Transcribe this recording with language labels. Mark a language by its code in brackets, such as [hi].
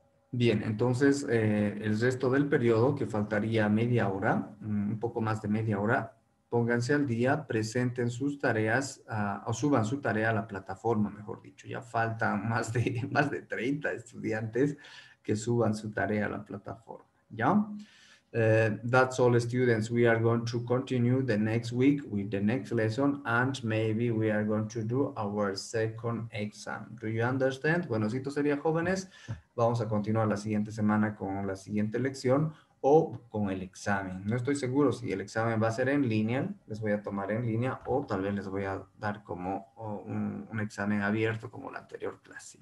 [es] Bien, entonces el resto del periodo, que faltaría media hora, un poco más de media hora, pónganse al día, presenten sus tareas o suban su tarea a la plataforma, mejor dicho. Ya faltan más de 30 estudiantes. que suban su tarea a la plataforma, ¿ya? [en] That's all, students. We are going to continue the next week with the next lesson, and maybe we are going to do our second exam. Do you understand? [es] Bueno, si esto sería, jóvenes, vamos a continuar la siguiente semana con la siguiente lección o con el examen. No estoy seguro si el examen va a ser en línea, les voy a tomar en línea, o tal vez les voy a dar como un examen abierto como la anterior clase.